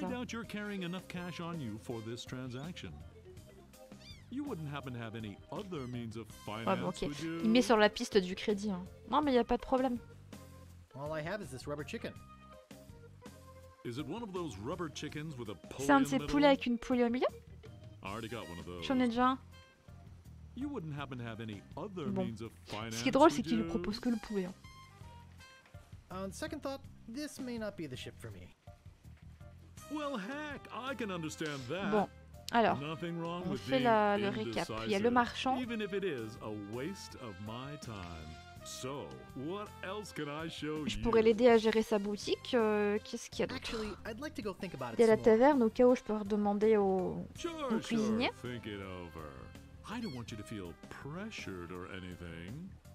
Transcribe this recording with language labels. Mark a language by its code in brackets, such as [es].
[en] I doubt you're carrying enough cash on you for this transaction. You wouldn't happen to have any other means of finance, [fr] ouais, bon, okay. Il met sur la piste du crédit, hein. Non mais il y a pas de problème. [en] All I have is this rubber chicken. Is it one of those rubber chickens with a [fr] poulie? C'est un de ces poulets avec une poulie au milieu? [en] I already got one of those. [fr] J'en ai déjà un. [en] You wouldn't happen to have any other means of finance? [fr] Ce qui est drôle, c'est qu'il lui propose que le poulet. [en] On second thought, this may not be the ship for me. Well, heck, I can understand that. [fr] Bon. Alors, on fait le récap. Il y a le marchand. [en] Even if it is a waste of my time. So, what else can I show you? [fr] Je pourrais l'aider à gérer sa boutique. Qu'est-ce qu'il y a d'autre? [en] Actually, I'd like to go think about it. [fr] Il y a la taverne, au cas où je peux redemander au, [en] sure, [fr] au cuisinier. [en] Sure, think it over. I don't want you to feel pressured or anything.